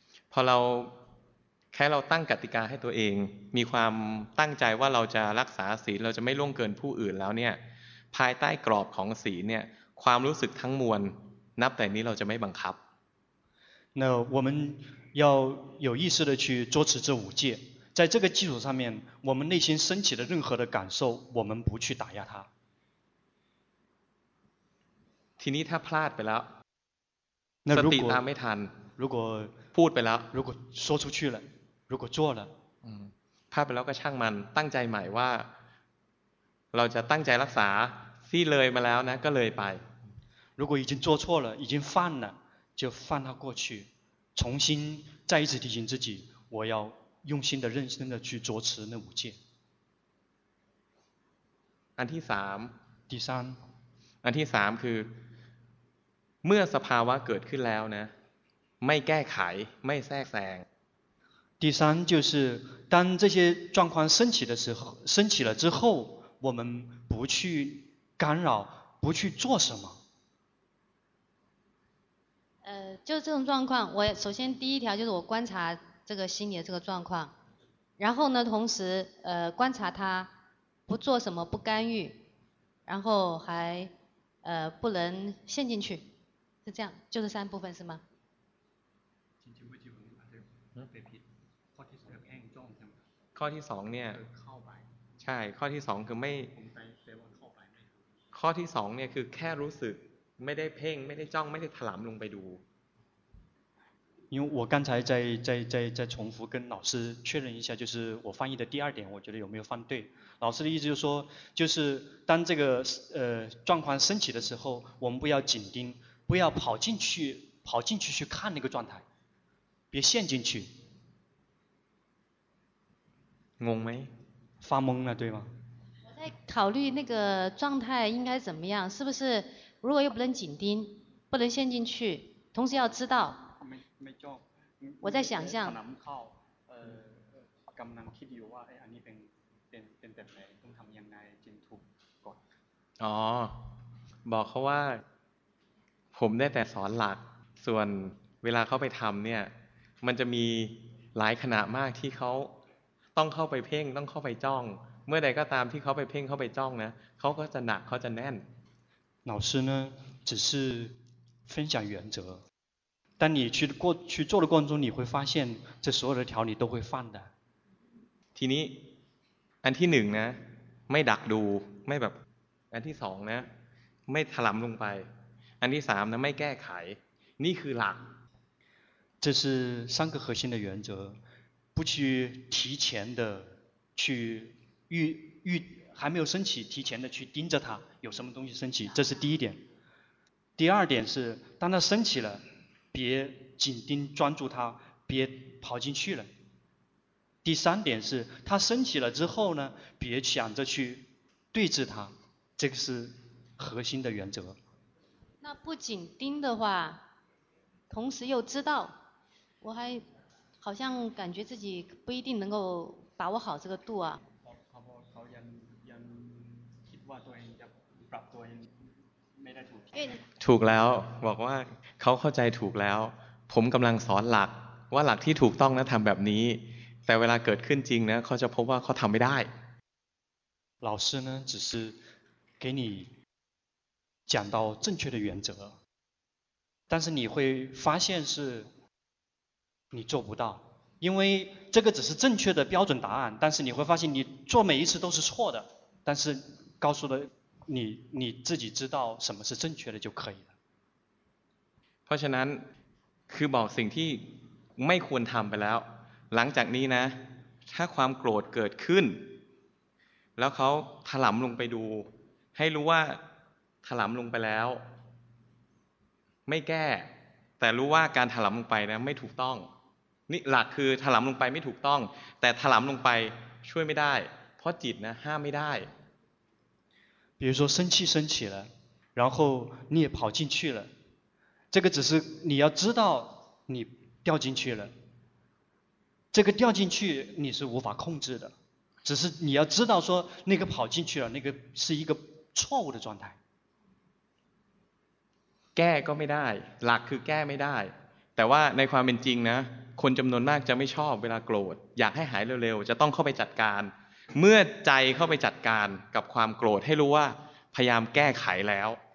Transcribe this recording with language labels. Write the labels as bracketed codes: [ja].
[th] พอเราแค่เราตั้งกติกาให้ตัวเองมีความตั้งใจว่าเราจะรักษาศีลเราจะไม่ล่วงเกินผู้อื่นแล้วเนี่ยภายใต้กรอบของศีลเนี่ยความรู้สึกทั้งมวลนับแต่นี้เราจะไม่บังคับ [zh] 那我们要有意识的去捉持这五戒在这个基础上面我们内心升起的任何的感受我们不去打压它 [th] ทีนี้ถ้าพลาดไปแล้ว ส ติตามไม่ทัน [zh] 如果 [th] พูดไปแล้ว [zh] 如果说出去了如果做了 [th] พลาดไปแล้วก็ช่างมันตั้งใจใหม่ว่าเราจะตั้งใจรักษาที่เลยมาแล้วนะก็เลยไป [zh] 如果已经做错了已经犯了就犯它过去重新再一次提醒自己我要用心的认真的去着持那五戒 [th] อันที่3 [zh] 第三 [th] อันที่3คือเมื่อสภาวะเกิดขึ้นแล้วนะไม่แก้ไขไม่แทรกแซง [zh] 第三就是当这些状况升起的时候升起了之后我们不去干扰不去做什么就这种状况我首先第一条就是我观察这个心里的这个状况然后呢同时观察它不做什么不干预然后还不能陷进去是这样就是三部分是吗 [th] ไปผิดข้อที่สองแห้งจ้องใช่ไหม ข้อที่สองเนี่ย เข้าไป ใช่ข้อที่สองคือไม่ ผมไปแปลว่าเข้าไปไม่ข้อที่สองเนี่ยคือแค่รู้สึกไม่ได้เพ่งไม่ได้จ้องไม่ได้ถลำลงไปดู [zh] 因为我刚才在重复跟老师确认一下，就是我翻译的第二点，我觉得有没有翻对？老师的意思就是说，就是当这个状况升起的时候，我们不要紧盯，不要跑进去去看那个状态，别陷进去。懵没？发懵了，对吗？我在考虑那个状态应该怎么样，是不是？如果又不能紧盯，不能陷进去，同时要知道。我在想象。 [th] 哦，บอกเขาว่าผมได้แต่สอนหลักส่วนเวลาเขาไปทำเนี่ยมันจะมีหลายขณะมากที่เขาต้องเข้าไปเพ่งต้องเข้าไปจ้องเมื่อใดก็ตามที่เขาไปเพ่งเข้าไปจ้องนะเขาก็จะหนักเขาจะแน่ [zh] น老师呢只是分享原则当你去过去做的过程中，你会发现这所有的条你都会犯的。 [th] ทีนี้อันที่หนึ่งนะไม่ดักดูไม่แบบอันที่สองนะไม่ถลำลงไปอันที่สามนะไม่แก้ไขนี่คือหลัก [zh] 这是三个核心的原则，不去提前的去预还没有升起，提前的去盯着它有什么东西升起，这是第一点。第二点是当它升起了。别紧盯专注它，别跑进去了。第三点是，它升起了之后呢，别想着去对峙它，这个是核心的原则。那不紧盯的话，同时又知道，我还好像感觉自己不一定能够把握好这个度啊。 [th] ถูกแล้วบอกว่าเขาเข้าใจถูกแล้วผมกำลังสอนหลักว่าหลักที่ถูกต้องนะทำแบบนี้แต่เวลาเกิดขึ้นจริงนะเขาจะพบว่าเขาทำไม่ได้ [zh] 老师呢只是给你讲到正确的原则但是你会发现是你做不到因为这个只是正确的标准答案但是你会发现你做每一次都是错的但是告诉了你自己知道什么是正确的就可以了。 [th] เพราะฉะนั้นคือบอกสิ่งที่ไม่ควรทำไปแล้วหลังจากนี้นะถ้าความโกรธเกิดขึ้นแล้วเขาถลำลงไปดูให้รู้ว่าถลำลงไปแล้วไม่แก้แต่รู้ว่าการถลำลงไปนะไม่ถูกต้องนี่หลักคือถลำลงไปไม่ถูกต้องแต่ถลำลงไปช่วยไม่ได้เพราะจิตนะห้ามไม่ได้ [zh] 比如说生气升起了然后你也跑进去了这个只是你要知道你掉进去了这个掉进去你是无法控制的只是你要知道说那个跑进去了那个是一个错误的状态 [th] แก้ก็ไม่ได้หลักคือแก้ไม่ได้แต่ว่าในความเป็นจริงนะคนจำนวนมากจะไม่ชอบเวลาโกรธอยากให้หายเร็วๆจะต้องเข้าไปจัดการเมื่อใจเข้าไปจัดการกับความโกรธให้รู้ว่าพยายามแก้ไขแล้ว